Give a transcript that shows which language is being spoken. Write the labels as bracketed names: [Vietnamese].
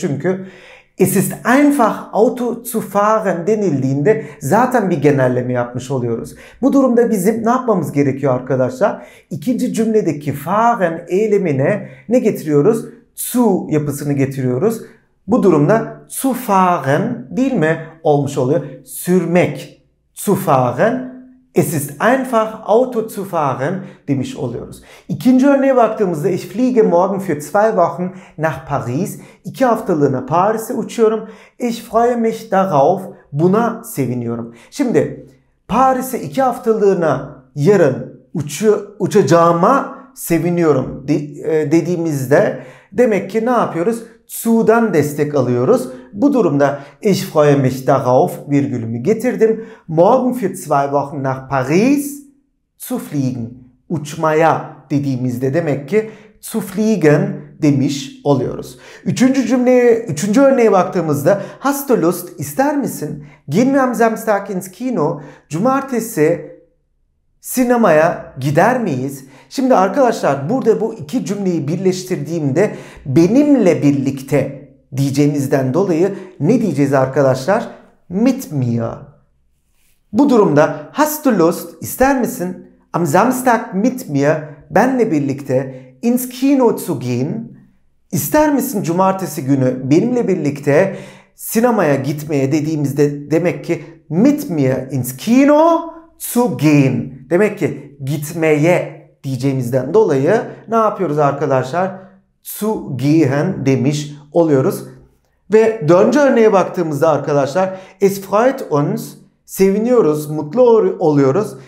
[Turkish] Çünkü [German] es ist einfach Auto zu fahren [Turkish] denildiğinde zaten bir genelleme yapmış oluyoruz. Bu durumda bizim ne yapmamız gerekiyor arkadaşlar? İkinci cümledeki fahren eylemine ne getiriyoruz? Zu yapısını getiriyoruz. Bu durumda zu fahren değil mi olmuş oluyor? Sürmek. [German] Zu fahren. Es ist einfach Auto zu fahren [Turkish] demiş oluyoruz. İkinci örneğe baktığımızda [German] ich fliege morgen für zwei Wochen nach Paris. [Turkish] İki haftalığına Paris'e uçuyorum. [German] Ich freue mich darauf. [Turkish] Buna seviniyorum. Şimdi Paris'e iki haftalığına yarın uçacağıma seviniyorum dediğimizde demek ki ne yapıyoruz? Zu'dan destek alıyoruz. Bu durumda [German] ich freue mich darauf [Turkish] virgülümü getirdim. [German] Morgen für zwei Wochen nach Paris zu fliegen. [Turkish] Uçmaya dediğimizde demek ki zu fliegen demiş oluyoruz. Üçüncü örneğe baktığımızda [German] hast du Lust, [Turkish] ister misin? [German] Gehen wir am Samstag ins Kino. [Turkish] Cumartesi sinemaya gider miyiz? Şimdi arkadaşlar burada bu iki cümleyi birleştirdiğimde benimle birlikte diyeceğimizden dolayı ne diyeceğiz arkadaşlar? Mit mir. Bu durumda [German] hast du Lust, [Turkish] ister misin? [German] Am Samstag mit mir, [Turkish] benle birlikte [German] ins Kino zu gehen. [Turkish] İster misin cumartesi günü benimle birlikte sinemaya gitmeye dediğimizde demek ki [German] mit mir ins Kino zu gehen. [Turkish] Demek ki gitmeye diyeceğimizden dolayı ne yapıyoruz arkadaşlar? Zu gehen demiş oluyoruz. Ve dördüncü örneğe baktığımızda arkadaşlar [German] es freut uns, [Turkish] seviniyoruz, mutlu oluyoruz.